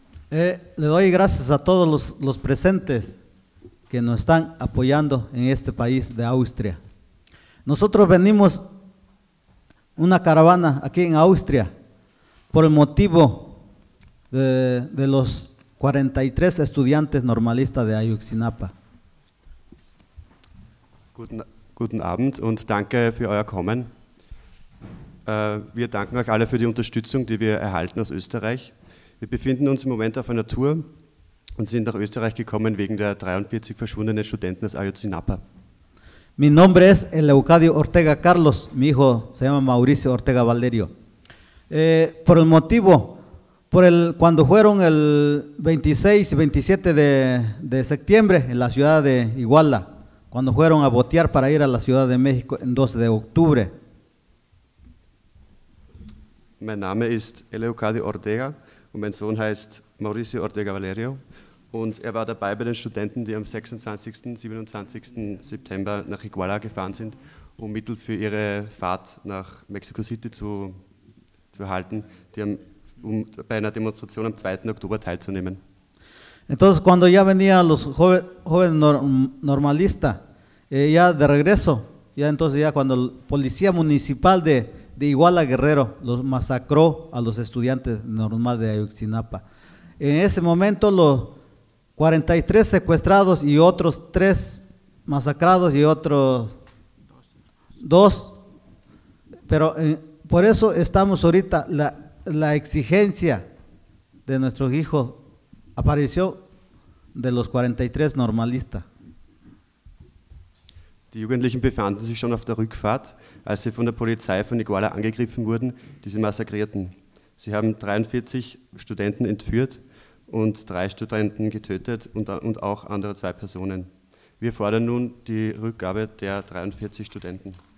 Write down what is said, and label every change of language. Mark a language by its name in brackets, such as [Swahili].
[Spanish] Le doy gracias a todos los presentes que nos están apoyando en este país de Austria. Nosotros venimos una caravana aquí en Austria por el motivo de los 43 estudiantes normalistas de Ayotzinapa. [German] Guten Abend und danke für euer Kommen. Wir danken euch alle für die Unterstützung, die wir erhalten aus Österreich. Wir befinden uns im Moment auf einer Tour und sind nach Österreich gekommen wegen der 43 verschwundenen Studenten aus Ayotzinapa. [Spanish] Mi nombre es Leucadio Ortega Carlos, mi hijo se llama Mauricio Ortega Valerio. Por el motivo, cuando fueron el 26 y 27 de septiembre en la ciudad de Iguala, cuando fueron a botear para ir a la Ciudad de México en 12 de octubre. [German] Mein Name ist Leucadio Ortega. Und mein Sohn heißt Mauricio Ortega Valerio und er war dabei bei den Studenten, die am 26. und 27. September nach Iguala gefahren sind, um Mittel für ihre Fahrt nach Mexico City zu erhalten, um bei einer Demonstration am 2. Oktober teilzunehmen. [Spanish] Entonces, cuando ya venían los jóvenes normalistas, ya de regreso, ya entonces ya cuando el policía municipal de Iguala Guerrero los masacró a los estudiantes normales de Ayotzinapa. En ese momento los 43 secuestrados y otros 3 masacrados y otros 2. Pero por eso estamos ahorita, la exigencia de nuestros hijos apareció de los 43 normalistas. [German] Die Jugendlichen befanden sich schon auf der Rückfahrt, als sie von der Polizei von Iguala angegriffen wurden, die sie massakrierten. Sie haben 43 Studenten entführt und 3 Studenten getötet und auch andere 2 Personen. Wir fordern nun die Rückgabe der 43 Studenten.